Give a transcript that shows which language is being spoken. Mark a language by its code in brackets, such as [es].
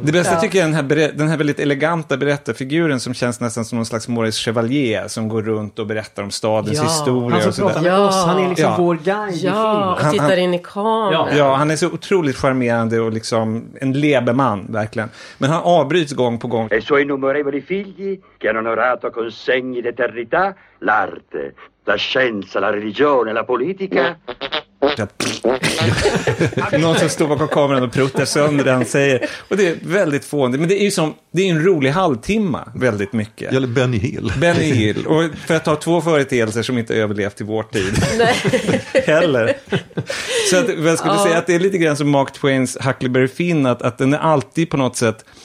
[sv] Det bästa tycker jag är den här väldigt eleganta berättarfiguren som känns nästan som någon slags Maurice Chevalier som går runt och berättar om stadens historia. Han pratar med oss. Han är liksom vår guide i filmen. Han tittar in i kameran. Ja, han är så otroligt charmerande och liksom en lebeman, verkligen. Men han avbryts gång på gång. [it] E suoi innumerevoli figli che hanno onorato con segni d'eternità l'arte, la scienza, la religione, la politica. [sv] Någon som står bakom kameran och pruttar sönder det han säger. Och det är väldigt fånigt. Men det är en rolig halvtimme väldigt mycket. Eller Benny Hill. Benny Hill. Och för att ta två företeelser som inte överlevt i vår tid. Nej. Heller. Så att, jag skulle säga att det är lite grann som Mark Twains Huckleberry Finn. Att den är alltid på något sätt